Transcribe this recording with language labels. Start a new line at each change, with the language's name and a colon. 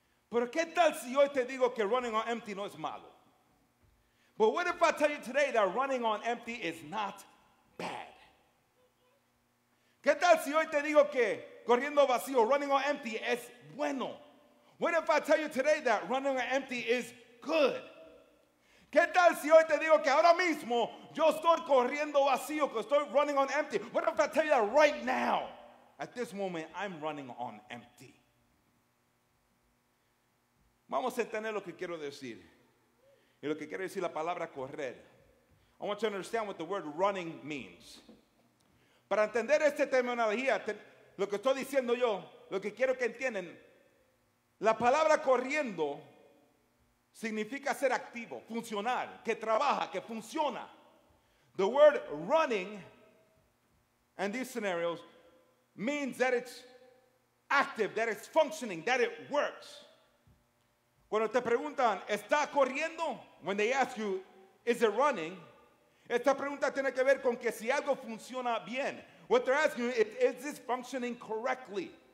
Spanish: Pero ¿qué tal si hoy te digo que
English: running on empty
Spanish: no es malo?
English: But what if I tell you today that running on empty is not bad?
Spanish: ¿Qué tal si hoy te digo que corriendo vacío,
English: running on empty,
Spanish: es bueno?
English: What if I tell you today that running on empty is good?
Spanish: ¿Qué tal si hoy te digo que ahora mismo yo estoy corriendo vacío, que estoy
English: running on empty? What if I tell you that right now, at this moment, I'm running on empty?
Spanish: Vamos a entender lo que quiero decir. Y lo que quiere decir la palabra correr.
English: I want you to understand what the word running means.
Spanish: Para entender esta terminología, lo que estoy diciendo yo, lo que quiero que entiendan, la palabra corriendo significa ser activo, funcionar, que trabaja, que funciona.
English: The word running in these scenarios means that it's active, that it's functioning, that it works.
Spanish: Cuando te preguntan, ¿está corriendo?
English: When they ask you, is it running?
Spanish: Esta pregunta tiene que ver con que si algo funciona bien.
English: What they're asking you, is this functioning correctly?